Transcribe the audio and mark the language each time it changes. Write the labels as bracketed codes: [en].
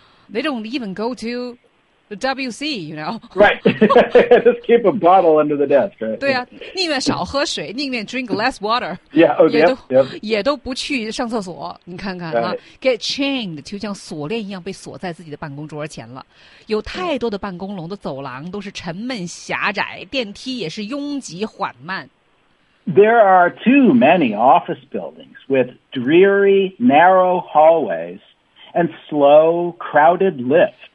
[en] They don't even go to the WC, you know. Right. Just keep a bottle under the desk, right? [zh] 对啊,宁愿少喝水, 宁愿 [en] drink less water. Yeah, okay. [zh] 也都不去上厕所, 你看看, [en] right. [zh] Get chained, 就像锁链一样被锁在自己的办公桌前了。有太多的办公楼的走廊都是沉闷狭窄, 电梯也是拥挤缓慢。 [en] There are too many office buildings with dreary, narrow hallways and slow, crowded lifts.